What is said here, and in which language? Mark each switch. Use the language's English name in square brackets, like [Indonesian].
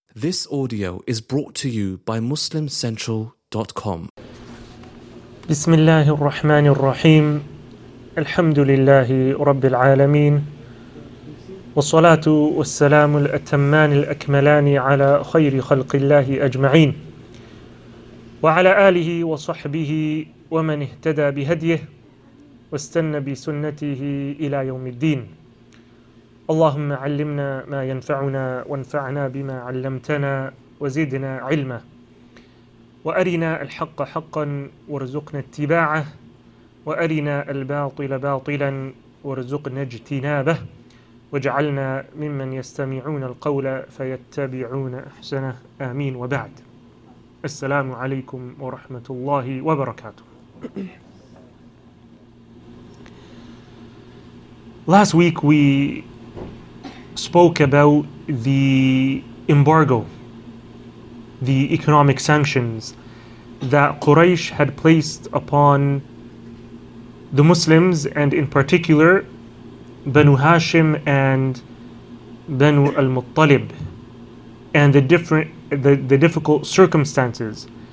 [English] This audio is brought to you by MuslimCentral.com. [Arabic] بسم الله الرحمن الرحيم الحمد لله رب العالمين والصلاة والسلام الأتمان الأكملان على خير خلق الله أجمعين وعلى آله وصحبه ومن اهتدى بهديه واستنى بسنته إلى يوم الدين. اللهم علمنا ما ينفعنا وانفعنا بما علمتنا وزدنا علما وأرنا الحق حقا وارزقنا اتباعه وأرنا الباطل باطلا وارزقنا اجتنابه واجعلنا ممن يستمعون القول فيتبعون أحسنه آمين وبعد. السلام عليكم ورحمة الله وبركاته. [English] Last week we spoke about the embargo, the economic sanctions that Quraysh had placed upon the Muslims, and in particular Banu Hashim and Banu al-Muttalib, and the difficult circumstances,